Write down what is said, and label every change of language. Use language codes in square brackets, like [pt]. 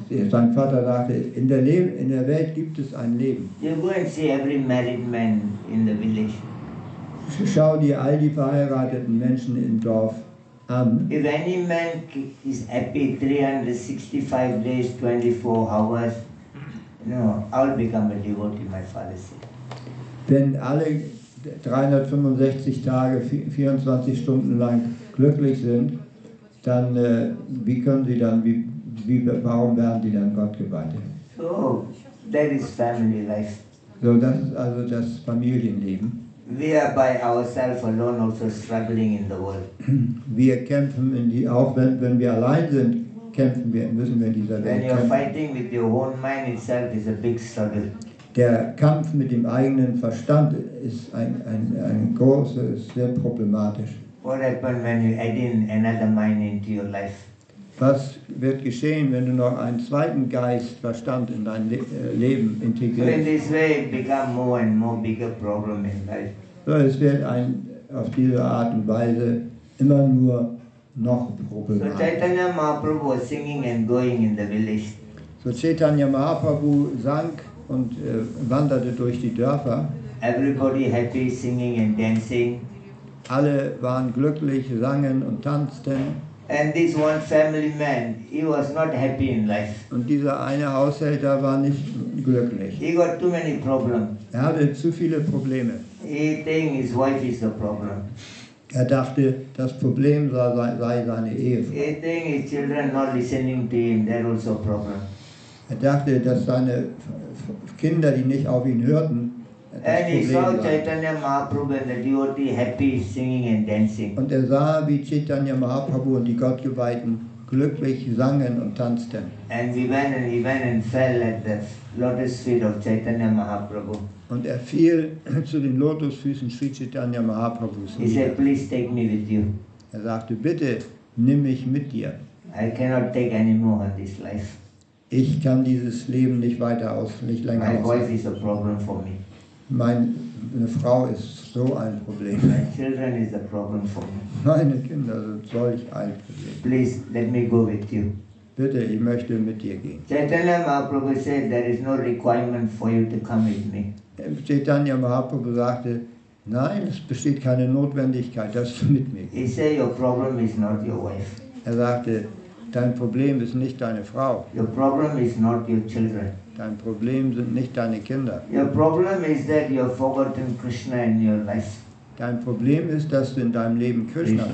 [de] Sein Vater sagte, in der Welt gibt es ein Leben. [en] You go and see every married man in the village. [de] Schau dir all die verheirateten Menschen im Dorf an. [en] If any man is happy 365 days, 24 hours, no, I'll become a devotee, my father said. [de] Wenn alle 365 Tage, 24 Stunden lang glücklich sind, dann wie können sie dann, warum werden die dann Gott geweiht? [en] So, that is family life. [de] So, das ist also das Familienleben. [en] We are by ourselves alone also struggling in the world. [de] Wir kämpfen in die, auch wenn wir allein sind, kämpfen wir, müssen wir in dieser Welt kämpfen. [en] When you're fighting with your own mind itself is a big struggle. [de] Der Kampf mit dem eigenen Verstand ist ein großes, sehr problematisch. [en] What happens when you add in another mind into your life? [de] Was wird geschehen, wenn du noch einen zweiten Geist, Verstand in dein Leben integrierst? [en] In this way it becomes more and more bigger problem in life. [de] So, es wird ein, auf diese Art und Weise immer nur noch problematisch. [en] So Chaitanya Mahaprabhu was singing and going in the village. [de] So Chaitanya Mahaprabhu sang und wanderte durch die Dörfer. [en] Everybody happy, singing and dancing. [de] Alle waren glücklich, sangen und tanzten. [en] And this one family man, he was not happy in life. [de] Und dieser eine Haushälter war nicht glücklich. [en] He got too many problems. [de] Er hatte zu viele Probleme. [en] He think his wife is the problem. [de] Er dachte, das Problem sei seine Ehefrau. [en] He think his children not listening to him, that also problem. [de] Er dachte, dass seine Kinder, die nicht auf ihn hörten, [en] and he saw Chaitanya Mahaprabhu and the devotee happy singing and dancing. [de] Und er sah, wie Chaitanya Mahaprabhu und die Gottgeweihten glücklich sangen und tanzten. [en] And he went and fell at the lotus feet of Chaitanya Mahaprabhu. [de] Und er fiel zu den Lotusfüßen Sri Chaitanya Mahaprabhu. [en] He said, please take me with you. [de] Er sagte, bitte nimm mich mit dir. [en] I cannot take any more of this life. [de] Ich kann dieses Leben nicht weiter aus, nicht länger aushalten. [en] My wife is a problem for me. [de] Meine Frau ist so ein Problem. [en] My children is a problem for me. [de] Meine Kinder sind solch ein Problem. [en] Please, let me go with you. [de] Bitte, ich möchte mit dir gehen. [en] Chaitanya Mahaprabhu said, there is no requirement for you to come with me. [de] Chaitanya Mahaprabhu sagte, nein, es besteht keine Notwendigkeit, dass du mit mir gehst. [en] He said, your problem is not your wife. [de] Er sagte, dein Problem ist nicht deine Frau. [en] Your problem is not your children. [de] Dein Problem sind nicht deine Kinder. [en] Your problem is that you have forgotten Krishna in your life. [de] Dein Problem ist, dass du in deinem Leben Krishna vergisst.